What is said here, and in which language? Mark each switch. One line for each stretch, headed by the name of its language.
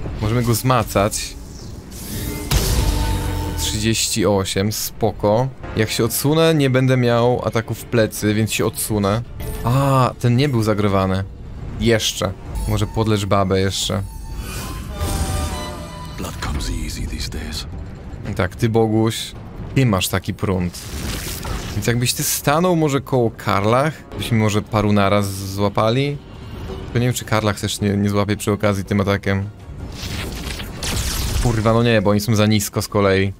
Polish: Możemy go zmacać. 38, spoko. Jak się odsunę, nie będę miał ataków w plecy, więc się odsunę. A, ten nie był zagrywany. Jeszcze. Może podleż babę jeszcze.
English: Blood comes easy these days.
Polish: Tak, ty Boguś, ty masz taki prąd. Więc jakbyś ty stanął może koło Karlach, byśmy może paru naraz złapali. Tylko nie wiem, czy Karlach też nie złapie przy okazji tym atakiem. Kurwa, no nie, bo oni są za nisko z kolei.